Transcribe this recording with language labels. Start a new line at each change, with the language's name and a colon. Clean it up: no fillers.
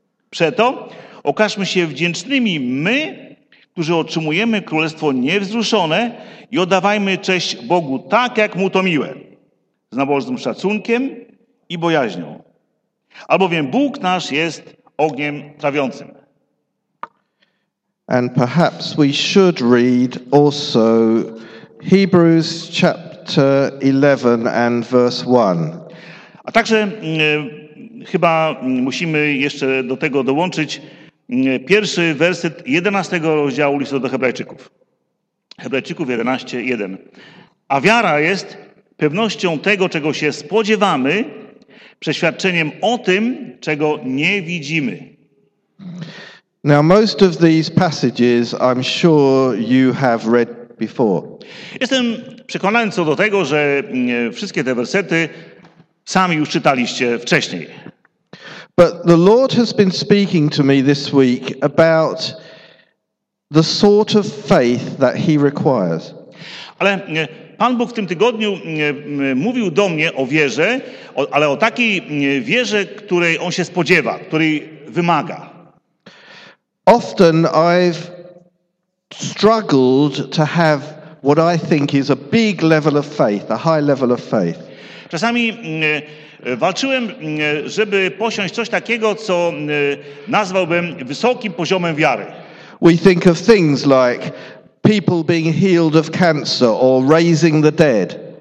Polish: Przeto okażmy się wdzięcznymi my, którzy otrzymujemy Królestwo niewzruszone i oddawajmy cześć Bogu tak, jak Mu to miłe, z nabożnym szacunkiem i bojaźnią. Albowiem Bóg nasz jest ogniem trawiącym.
English: And perhaps we should read also Hebrews chapter 11 and verse 1.
Polish: A także chyba musimy jeszcze do tego dołączyć pierwszy werset 11 rozdziału listu do Hebrajczyków. Hebrajczyków 11:1. A wiara jest pewnością tego, czego się spodziewamy, przeświadczeniem o tym, czego nie widzimy.
English: Now most of these passages I'm sure you have read before.
Polish: Jestem przekonany co do tego, że wszystkie te wersety sami już czytaliście wcześniej.
English: But the Lord has been speaking to me this week about the sort of faith that he requires.
Polish: Ale Pan Bóg w tym tygodniu mówił do mnie o wierze, ale o takiej wierze, której on się spodziewa, której wymaga.
English: Often I've struggled to have what I think is a big level of faith, a high level of faith.
Polish: Czasami walczyłem, żeby posiąść coś takiego, co nazwałbym wysokim poziomem wiary.
English: We think of things like people being healed of cancer or raising the dead.